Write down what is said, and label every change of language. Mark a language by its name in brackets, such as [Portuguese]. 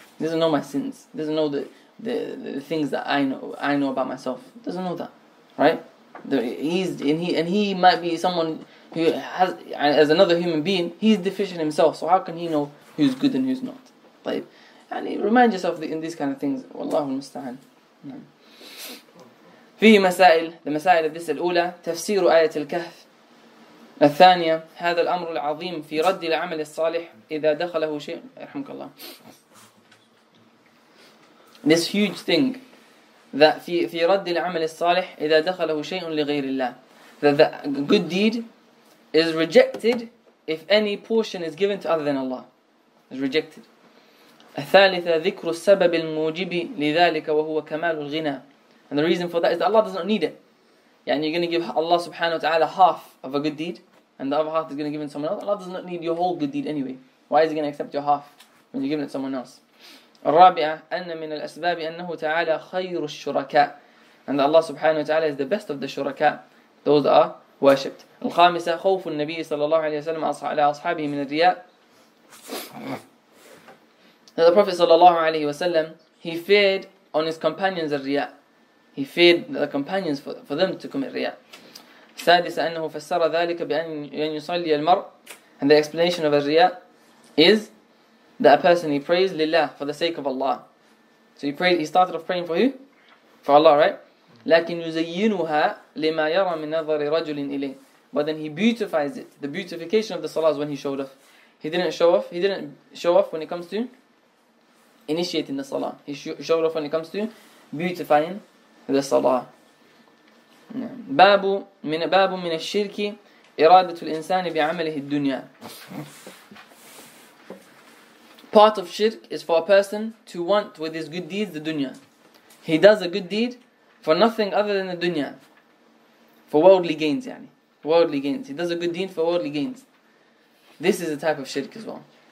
[English] He doesn't know my sins. He doesn't know the things that I know about myself. He doesn't know that, right? He might be someone who has, as another human being, he's deficient himself. So how can he know who's good and who's not? Like, and remind yourself in these kind of things. [Arabic] Wallahu al-musta'an. فيه مسائل المسائل هذه الأولى تفسير آية الكهف الثانية هذا الأمر العظيم في رد العمل الصالح إذا دخله شيء رحمك الله [English] This huge thing that [Arabic] في رد العمل الصالح إذا دخله شيء لغير الله [English] that the good deed is rejected if any portion is given to other than Allah is rejected [Arabic] الثالثة ذكر السبب الموجب لذلك وهو كمال الغنى [English] And the reason for that is that Allah does not need it. Yeah, and you're going to give Allah subhanahu wa ta'ala half of a good deed, and the other half is going to give it to someone else. Allah does not need your whole good deed anyway. Why is He going to accept your half when you're giving it to someone else? [Arabic] الرابعة أن من الأسباب أنه تعالى خير الشركاء [English] And that Allah subhanahu wa ta'ala is the best of the شركاء. Those that are worshipped. [Arabic] الخامسة خوف النبي صلى الله عليه وسلم على أصحابه من الرياء [English] The Prophet صلى الله عليه وسلم He feared on his companions الرياء He feared the companions for them to commit riya. [Arabic] سادس أنه فسر ذلك بأن يصلي المرء [English] And the explanation of a riya is that a person he prays لله for the sake of Allah. So he started off praying for who? For Allah, right? [Arabic] لكن يزينها لما يرى من نظر رجل إليه [English] But then he beautifies it. The beautification of the salah is when he showed off. He didn't show off when it comes to initiating the salah. He showed off when it comes to beautifying The Salah. [Arabic] باب من الشرك إرادة الإنسان بعمله الدنيا. [English] Part of shirk is for a person to want with his good deeds the dunya. He does a good deed for nothing other than the dunya. For worldly gains, يعني. worldly gains. He does a good deed for worldly gains. This is a type of shirk as well.